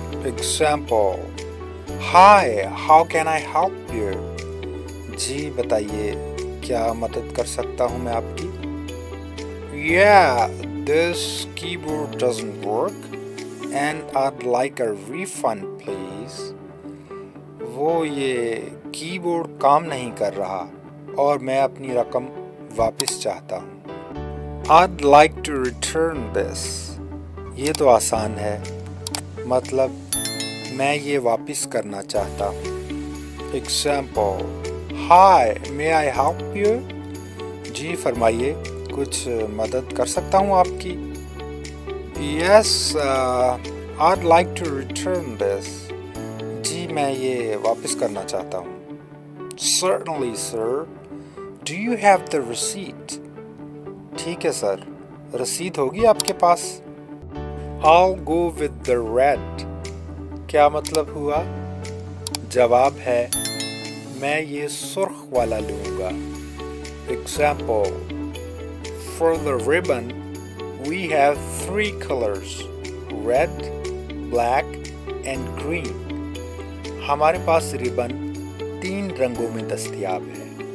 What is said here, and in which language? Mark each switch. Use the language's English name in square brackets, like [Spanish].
[English] Example. Hi, how can I help you? [Urdu] जी बताइए, क्या मदद कर सकता हूँ मैं आपकी? [English] Yeah, this keyboard doesn't work and I'd like a refund, please. [Urdu] वो ये कीबोर्ड काम नहीं कर रहा और मैं अपनी रकम वापस चाहता हूँ. [English] I'd like to return this. [Urdu] ये तो आसान है. मतलब मैं ये वापस करना चाहता हूँ. [English] Example. Hi, may I help you? [Urdu] जी फरमाइए, कुछ मदद कर सकता हूँ आपकी? [English] Yes, I'd like to return this. [Urdu] जी मैं ये वापस करना चाहता हूँ. [English] Certainly, sir. Do you have the receipt? [Urdu] ठीक है सर, रसीद होगी आपके पास? [English] I'll go with the red. [Urdu] क्या मतलब हुआ? जवाब है, मैं ये सुर्ख वाला लूंगा. [English] Example. For the ribbon, we have three colors. Red, black and green. [Urdu] हमारे पास रिबन तीन रंगों में दस्तियाब है.